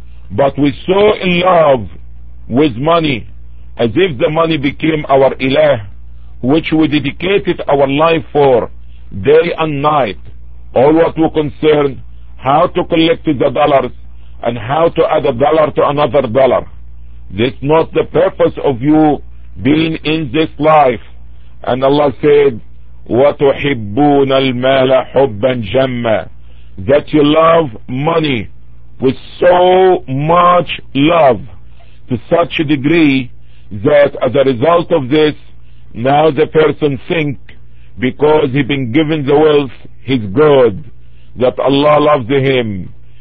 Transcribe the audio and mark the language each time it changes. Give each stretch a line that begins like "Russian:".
English: But we so in love with money, as if the money became our ilah, which we dedicated our life for day and night. All what we concern, how to collect the dollars and how to add a dollar to another dollar. This not the purpose of you being in this life. And Allah said,
Arabic: وَتُحِبُّونَ الْمَالَ حُبًّا جَمَّا.
English: That you love money with so much love, to such a degree that as a result of this, now the person think, because he's been given the wealth, he's good, that Allah loves him.